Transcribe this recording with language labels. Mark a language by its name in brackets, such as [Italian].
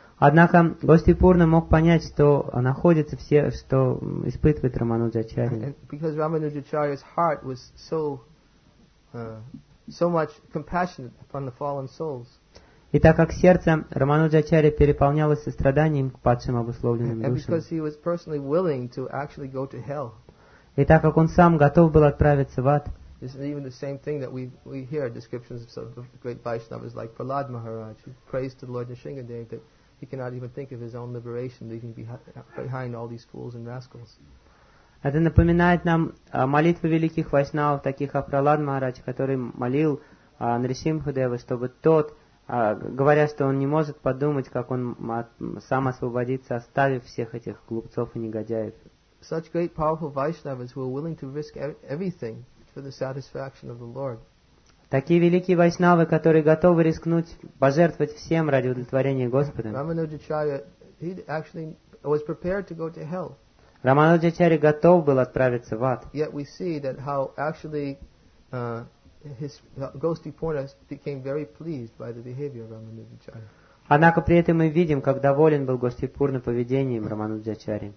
[Russian] Однако Гостипурна мог понять, что находится все, что испытывает Рамануджачарья. [English] Because Ramanujacharya's heart was so much compassionate upon the fallen souls. [Russian] И так как сердце Рамануджачарья переполнялось состраданием к падшим обусловленным душам. [English] And because he was personally willing to actually go to hell. [Russian] И так как он сам готов был отправиться в ад. [English] This is even the same thing that we hear descriptions of some of the great Vaishnavas like Prahlad Maharaj, who prays to Lord Nrisingadev that he cannot even think of his own liberation, leaving behind all these fools and rascals. [Russian] Это напоминает нам молитвы великих вайшнавов, таких как Пралад Махарадж, который молил Нрисимхадеву, чтобы тот, говоря, что он не может подумать, как он сам освободится, оставив всех этих глупцов и негодяев. [English] Such great powerful Vaishnavas who are willing to risk everything for the satisfaction of the Lord. [Russian] Такие великие вайшнавы, которые готовы рискнуть, пожертвовать всем ради удовлетворения Господа. [English] Раманудачарья, he actually was prepared to go to hell. [Russian] Раманудачарья готов был отправиться в ад. [English] Yet we see that how actually his ghostly porter became very pleased by the behavior of Раманудачарья. [Russian] Однако при этом мы видим, как доволен был Гостипурна поведением Раманудачарьи.